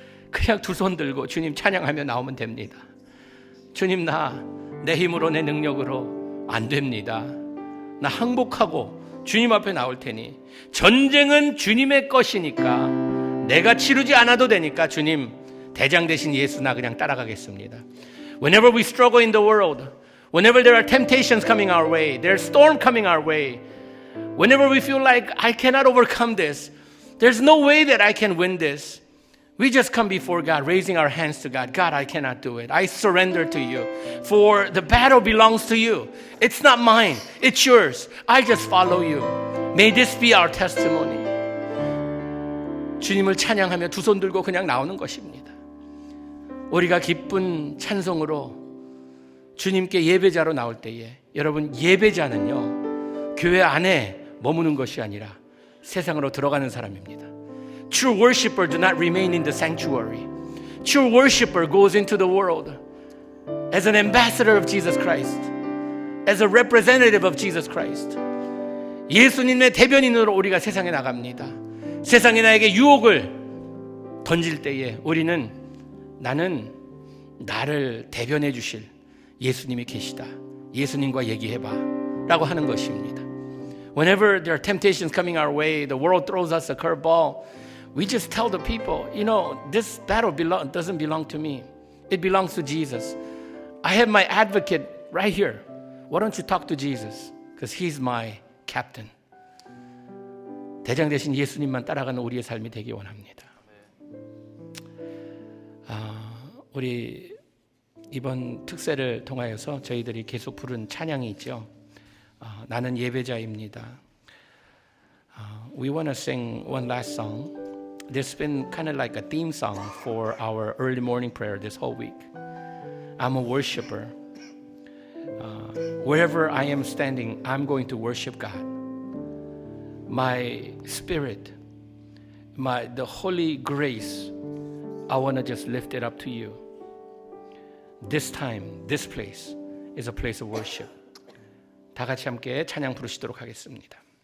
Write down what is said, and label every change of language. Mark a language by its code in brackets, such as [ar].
[ko] 그냥 두 손 들고 주님 찬양하며 나오면 됩니다. 주님, 나 내 힘으로 내 능력으로 안 됩니다. 나 항복하고 주님 앞에 나올 테니, 전쟁은 주님의 것이니까, 내가 치르지 않아도 되니까 주님 대장 되신 예수 나 그냥 따라가겠습니다. [en] Whenever we struggle in the world, whenever there are temptations coming our way, there's storm coming our way, whenever we feel like I cannot overcome this, there's no way that I can win this, we just come before God, raising our hands to God. God, I cannot do it. I surrender to you. For the battle belongs to you. It's not mine. It's yours. I just follow you. May this be our testimony. [ko] 주님을 찬양하며 두 손 들고 그냥 나오는 것입니다. 우리가 기쁜 찬송으로 주님께 예배자로 나올 때에, 여러분, 예배자는요, 교회 안에 머무는 것이 아니라 세상으로 들어가는 사람입니다. [en] True worshipper do not remain in the sanctuary. True worshipper goes into the world as an ambassador of Jesus Christ, as a representative of Jesus Christ. [ko] 예수님의 대변인으로 우리가 세상에 나갑니다. 세상이 나에게 유혹을 던질 때에 우리는, 나는 나를 대변해 주실 예수님이 계시다, 예수님과 얘기해봐 라고 하는 것입니다. [en] Whenever there are temptations coming our way, the world throws us a curveball, we just tell the people, you know, this battle doesn't belong to me. It belongs to Jesus. I have my advocate right here. Why don't you talk to Jesus? Because he's my captain. [ko] 대장 대신 예수님만 따라가는 우리의 삶이 되기 원합니다. 우리 이번 특세를 통하여서 저희들이 계속 부른 찬양이 있죠. 나는 예배자입니다. [en] We want to sing one last song. This has been kind of like a theme song for our early morning prayer this whole week. I'm a worshiper. Wherever I am standing, I'm going to worship God. My spirit, the holy grace, I want to just lift it up to you. This time, this place is a place of worship. [ko] 다 같이 함께 찬양 부르시도록 하겠습니다.